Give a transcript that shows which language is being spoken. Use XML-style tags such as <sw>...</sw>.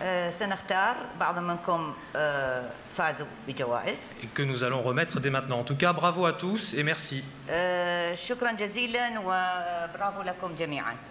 <ar>سنختار بعض منكم فازوا بجوائز.</ar> <fr>Que nous allons remettre dès maintenant. En tout cas, bravo à tous et merci.</fr> <ar>شكرا جزيلا وبرافو لكم جميعا.</ar>